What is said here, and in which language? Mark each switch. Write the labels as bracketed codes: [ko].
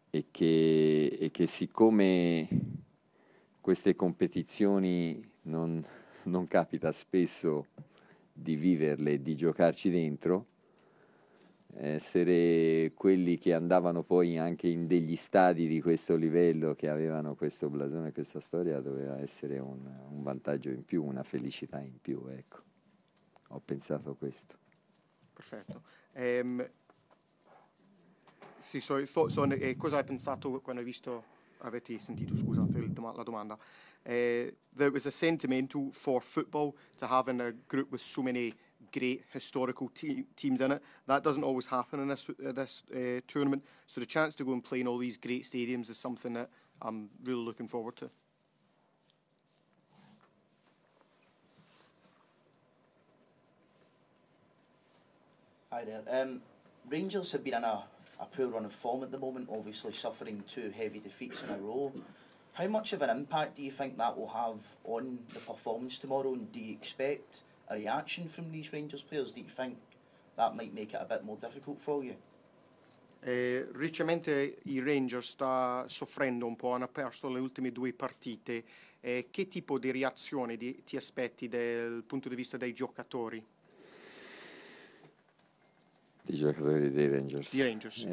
[it] che siccome queste competizioni non capita spesso di viverle, di giocarci dentro, essere quelli che andavano poi anche in degli stadi di questo livello, che avevano questo blasone, questa storia, doveva essere un vantaggio in più, una felicità in più, ecco. Ho pensato questo. Perfetto. Sì, [en] sorry, thoughts on [it] cosa hai pensato quando hai visto avete sentito, scusate la domanda. [en] There was a sentimental for football to having a group with so many great historical teams in it. That doesn't always happen in this tournament. So the chance to go and play in all these great stadiums is something that I'm really looking forward to. Hi there. Rangers have been in a poor run of form at the moment, obviously suffering two heavy defeats in a row. How much of an impact do you think that will have on the performance tomorrow, and do you expect a reaction from these Rangers players? Do you think that might make it a bit more difficult for you? [it] Recentemente i Rangers sta soffrendo un po', hanno perso le ultime due partite. Che tipo di reazione ti aspetti dal punto di vista dei giocatori? I giocatori dei Rangers. [en] The Rangers.